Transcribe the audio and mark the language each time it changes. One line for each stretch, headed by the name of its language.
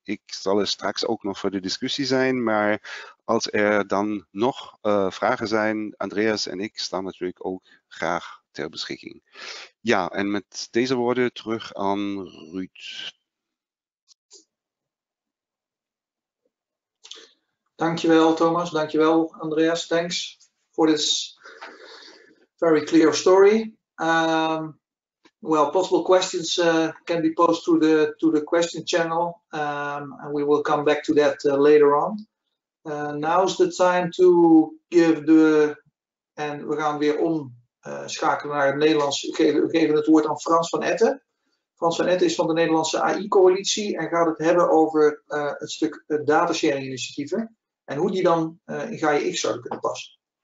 Dutch: Ik zal er straks ook nog voor de discussie zijn, maar als er dan nog vragen zijn, Andreas en ik staan natuurlijk ook graag ter beschikking. Ja, en met deze woorden terug aan Ruud. Dankjewel Thomas, dankjewel Andreas, thanks voor dit.
English: Very clear story. Possible questions can be posed through the question channel, and we will come back to that later on. Now's the time to give the and
Dutch: we gaan weer om schakelen naar het Nederlands. We geven het woord aan Frans van Etten. Frans van Etten is van de Nederlandse AI coalitie en gaat het hebben over het stuk data sharing initiatieven en hoe die dan in GAIA-X zou kunnen passen.